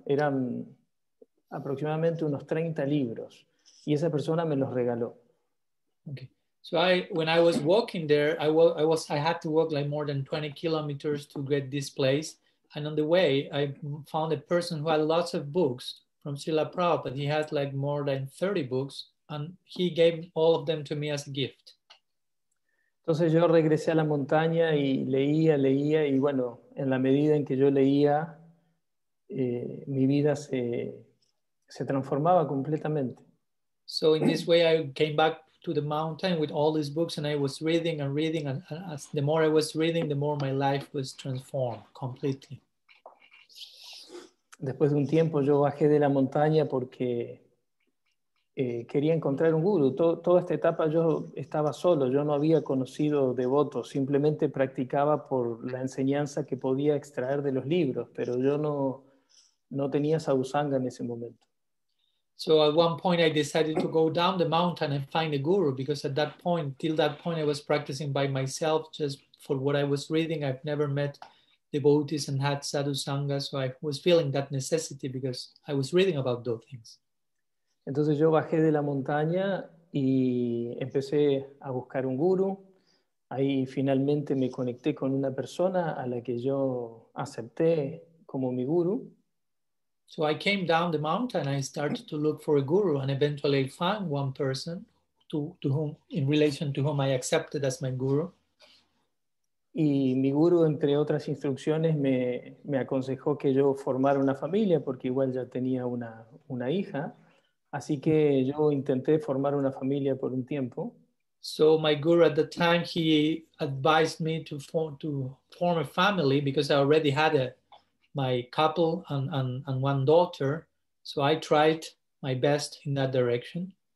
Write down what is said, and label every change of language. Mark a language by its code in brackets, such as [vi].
[es] Eran aproximadamente unos 30 libros y esa persona me los regaló. [en] Okay. So when I was walking there, I had to walk like more than 20 kilometers to get this place. And on the way, I found a person who had lots of books from Srila Prabhupada. He had like more than 30 books and he gave all of them to me as a gift. [es] Entonces yo regresé a la montaña y leía y bueno, en la medida en que yo leía, mi vida se transformaba completamente. [en] So in this way, I came back to the mountain with all these books and I was reading and reading and as the more I was reading, the more my life was transformed completely. [es] Después de un tiempo yo bajé de la montaña porque quería encontrar un guru. Toda esta etapa yo estaba solo, yo no había conocido devotos, simplemente practicaba por la enseñanza que podía extraer de los libros, pero yo no tenía sadhusanga en ese momento. [en] So at one point I decided to go down the mountain and find a guru because at that point, till that point I was practicing by myself just for what I was reading. I've never met devotees and had sadhu sangha, so I was feeling that necessity because I was reading about those things. [es] Entonces yo bajé de la montaña y empecé a buscar un guru. Ahí finalmente me conecté con una persona a la que yo acepté como mi guru. [en] So I came down the mountain, I started to look for a guru and eventually I found one person in relation to whom I accepted as my guru. [es] Y mi guru, entre otras instrucciones, me aconsejó que yo formara una familia porque igual ya tenía una hija. Así que yo intenté formar una familia por un tiempo. [en] So my guru at the time, he advised me to form a family because I already had my couple and one daughter, So I tried my best in that direction.